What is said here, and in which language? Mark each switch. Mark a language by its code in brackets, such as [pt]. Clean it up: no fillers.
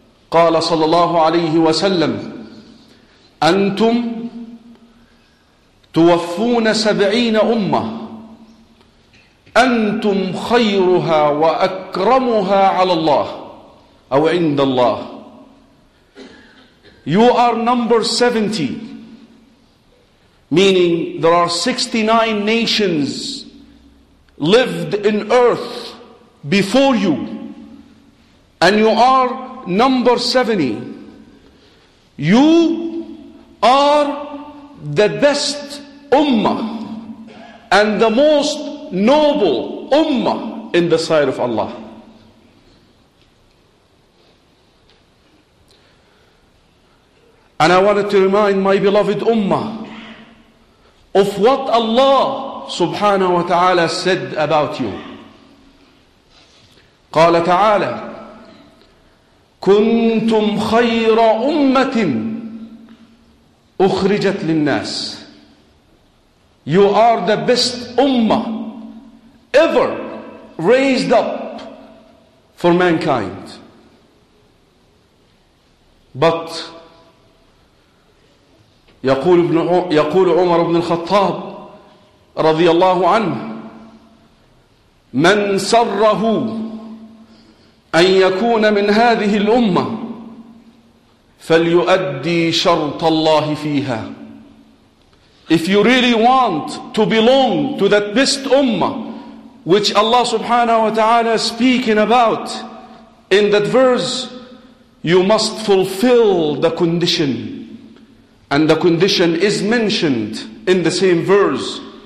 [ar] قال صلى الله عليه وسلم أنتم توفون 70 أمة أنتم خيرها وأكرمها على الله أو عند الله. [en] You are number 70, meaning there are 69 nations lived in earth before you, and you are number 70. You are the best ummah and the most noble ummah in the sight of Allah. And I wanted to remind my beloved ummah of what Allah subhanahu wa ta'ala said about you. [ar] قال تعالى كنتم خير أمة أخرجت للناس. [en] You are the best ummah ever raised up for mankind. [ar] But يقول عمر بن الخطاب رضي الله عنه من سره أن يكون من هذه الأمة فليؤدي شرط الله فيها. [en] If you really want to belong to that best ummah, which Allah subhanahu wa ta'ala is speaking about in that verse, you must fulfill the condition. And the condition is mentioned in the same verse.